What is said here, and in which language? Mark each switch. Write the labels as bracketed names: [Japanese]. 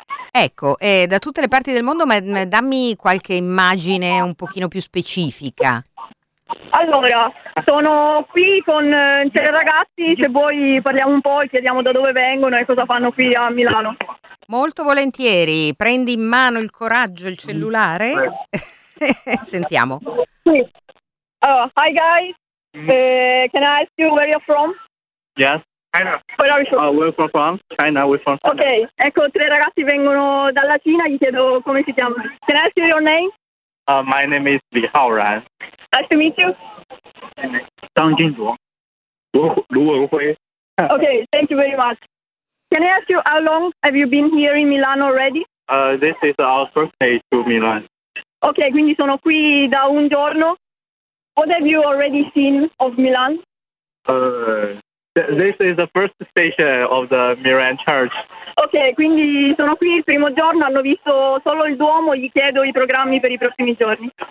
[Italian] Ecco, da tutte le parti del mondo, ma dammi qualche immagine un pochino più specifica. Allora, sono qui con tre ragazzi, se vuoi parliamo un po' e chiediamo da dove vengono e cosa fanno qui a Milano. Molto volentieri, prendi in mano il coraggio, il cellulare. Sentiamo. [English] Hi guys, can I ask you where you're from? Yes. Where are you from? We're from China, we're from China. [Italian] Ok, ecco, tre ragazzi vengono dalla Cina, gli chiedo come si chiama. [English] Can I ask you your name? My name is Li Haoran. Nice to meet you. Zhang Jinzhuo. Lu Wenhui. Ok, thank you very much. Can I ask you how long have you been here in Milan already? This is our first day to Milan. [Italian] Ok, quindi sono qui da un giorno. [English] What have you already seen of Milan? This is the first station of the Milan Church. [Italian] Ok, quindi sono qui il primo giorno, hanno visto solo il Duomo, gli chiedo i programmi per i prossimi giorni.